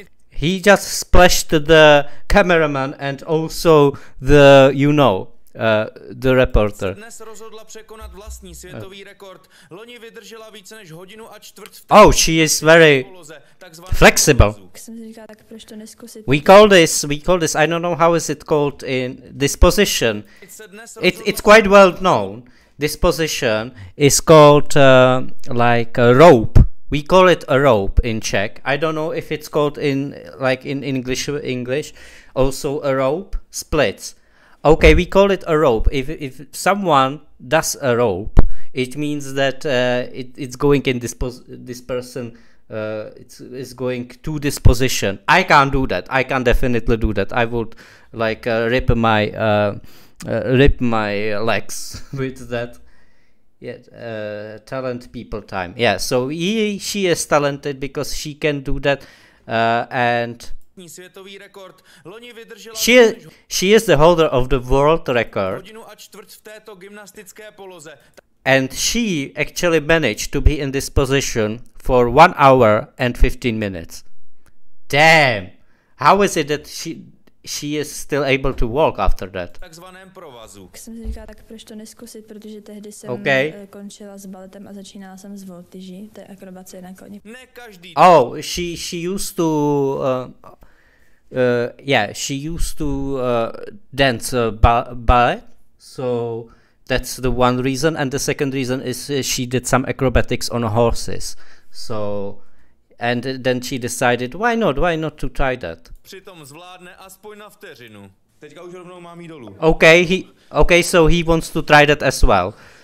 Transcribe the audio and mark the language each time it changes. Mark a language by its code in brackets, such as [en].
[en] He just splashed the cameraman and also the, you know. The reporter. [cs] Dnes rozhodla překonat vlastní světový rekord. Loni vydržela více než hodinu a čtvrt. [en] Oh, she is very flexible. We call this. I don't know how is it called in this position. It's quite well known. This position is called like a rope. We call it a rope in Czech. I don't know if it's called in like in English. Also a rope splits. Okay, we call it a rope. If someone does a rope, it means that it's going in this person it's going to this position. I can't do that. I can't definitely do that. I would like rip my legs with that. Yeah, talent people time. Yeah, so she is talented because she can do that and [cs] světový rekord. Loni vydržela [en] she is the holder of the world record. [cs] Hodinu a čtvrt v této gymnastické poloze. [en] And she actually managed to be in this position for 1 hour and 15 minutes. Damn. How is it that she is still able to walk after that? [cs] Takzvaném provazu. Jsem si říkala, tak proč to neskusit, protože tehdy jsem končila s baletem a začínala jsem s voltiží, to je akrobacie na koni. Ne každý. [en] Oh, she used to dance ballet, so that's the one reason, and the second reason is she did some acrobatics on horses, so, and then she decided, why not to try that. [cs] Přitom zvládne aspoň na vteřinu. Teďka už rovnou mám jít dolů. [en] Okay, so he wants to try that as well.